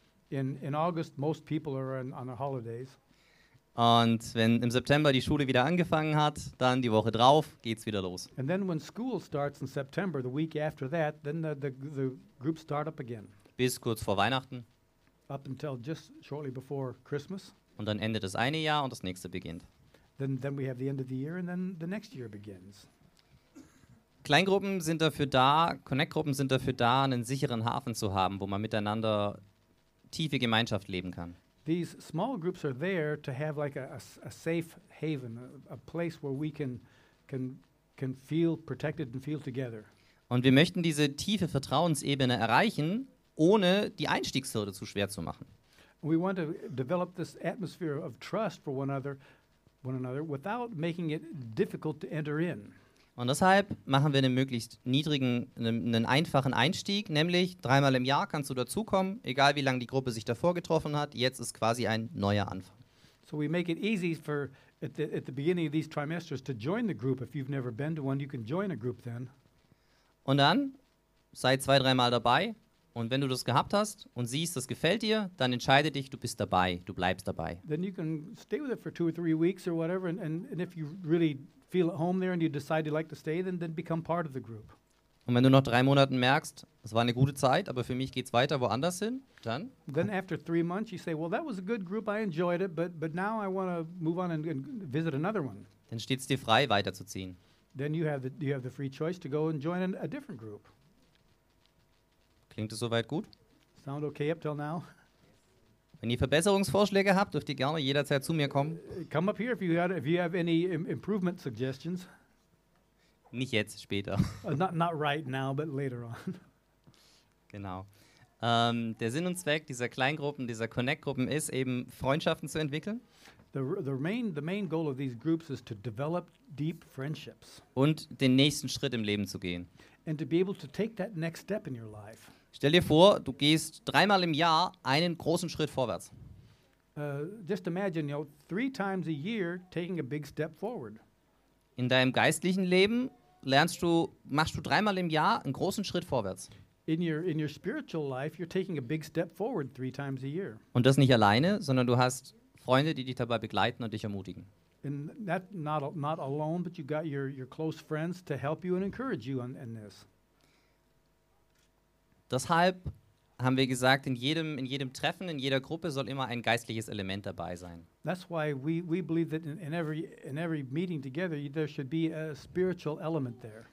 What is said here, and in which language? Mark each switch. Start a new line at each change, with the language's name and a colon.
English: In August, most people are on their holidays.
German: Und wenn im September die Schule wieder angefangen hat, dann die Woche drauf geht's wieder los.
English: And then when school starts in September, the week after that, then the groups start up again.
German: Bis kurz vor Weihnachten.
English: Up until just shortly before Christmas.
German: Und dann endet das eine Jahr und das nächste beginnt.
English: Then we have the end of the year and then the next year begins.
German: Kleingruppen sind dafür da, Connect-Gruppen sind dafür da, einen sicheren Hafen zu haben, wo man miteinander tiefe Gemeinschaft leben kann.
English: These small groups are there to have like a safe haven, a place where we can feel protected and feel together.
German: Und wir möchten diese tiefe Vertrauensebene erreichen, ohne die Einstiegshürde zu schwer zu machen.
English: We want to develop this atmosphere of trust for one another without making it difficult to enter in.
German: Und deshalb machen wir einen möglichst niedrigen, einen einfachen Einstieg, nämlich dreimal im Jahr kannst du dazukommen, egal wie lange die Gruppe sich davor getroffen hat, jetzt ist quasi ein neuer Anfang.
English: So we make it easy for at the beginning of these trimesters to join the group. If you've never been to one, you can join a group then.
German: Und dann sei zwei, dreimal dabei und wenn du das gehabt hast und siehst, das gefällt dir, dann entscheide dich, du bist dabei, du bleibst dabei.
English: Then you can stay with it for two or three weeks or whatever and if you really feel at home there and you decide you like to stay, then become part of the group.
German: Und wenn du nach drei Monaten merkst, es war eine gute Zeit, aber für mich geht's weiter woanders hin, dann?
English: Then after 3 months you say, well, that was a good group, I enjoyed it, but now I want to move on and visit another one.
German: Dann steht's dir frei, weiterzuziehen.
English: Then you have the free choice to go and join a different group.
German: Klingt es soweit gut?
English: Sound okay up till now?
German: Wenn ihr Verbesserungsvorschläge habt, dürft ihr gerne jederzeit zu mir kommen.
English: Come up here if you have any improvement suggestions.
German: Nicht jetzt, später.
English: Not right now, but later on.
German: Genau. Der Sinn und Zweck dieser Kleingruppen, dieser Connect-Gruppen ist eben, Freundschaften zu entwickeln.
English: The main goal of these groups is to develop deep friendships.
German: Und den nächsten Schritt im Leben zu gehen.
English: And to be able to take that next step in your life.
German: Stell dir vor, du gehst dreimal im Jahr einen großen Schritt vorwärts.
English: Just imagine, you know, three times a year taking a big step forward.
German: In deinem geistlichen Leben machst du dreimal im Jahr einen großen Schritt vorwärts.
English: In your spiritual life, you're taking a big step forward three times a year.
German: Und das nicht alleine, sondern du hast Freunde, die dich dabei begleiten und dich ermutigen.
English: And that not alone, but you got your close friends to help you and encourage you in this.
German: Deshalb haben wir gesagt, in jedem Treffen, in jeder Gruppe soll immer ein geistliches Element dabei sein.
English: That's why we believe that in every meeting together there should be a spiritual element there.